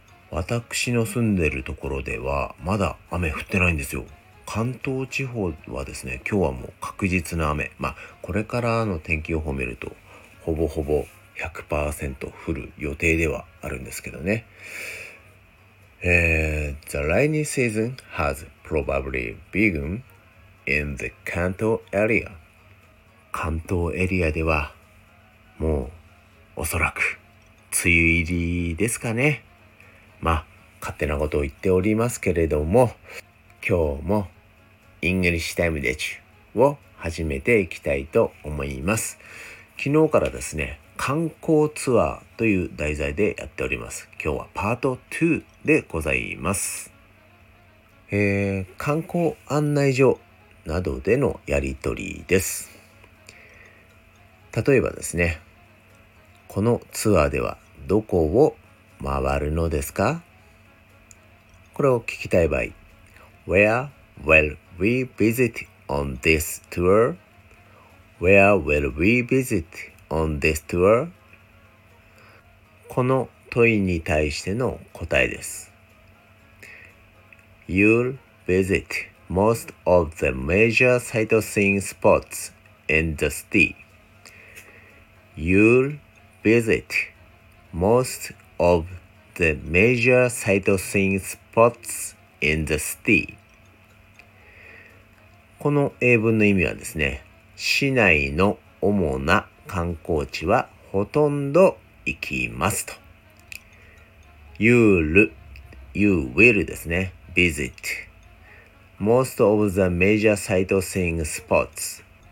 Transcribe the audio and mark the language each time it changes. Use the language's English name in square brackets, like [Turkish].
[Japanese] 私の住んでるところではまだ雨降ってないんですよ。関東地方はですね、今日はもう確実な雨、これからの天気予報を見るとほぼほぼ 100% 降る予定ではあるんですけどね。 [English] The rainy season has probably begun in the Kanto area. [Japanese] 関東エリアではもうおそらく梅雨入りですかね。勝手なことを言っておりますけれども、今日もイングリッシュタイムでちゅを始めていきたいと思います。昨日からですね、観光ツアーという題材でやっております。今日はパート2でございます。観光案内所などでのやり取りです。例えばですね、このツアーではどこを回るのですか、これを聞きたい場合、 [English] Where will we visit on this tour? Where will we visit on this tour? [Japanese] この問いに対しての答えです。 [English] You'll visit most of the major sightseeing spots in the city. You'll visit most of the major sightseeing spots in the city. [Japanese] この英文の意味はですね、市内の主な観光地はほとんど行きますと。 [English] You will [Japanese] ですね、 [English] visit most of the major sightseeing spots。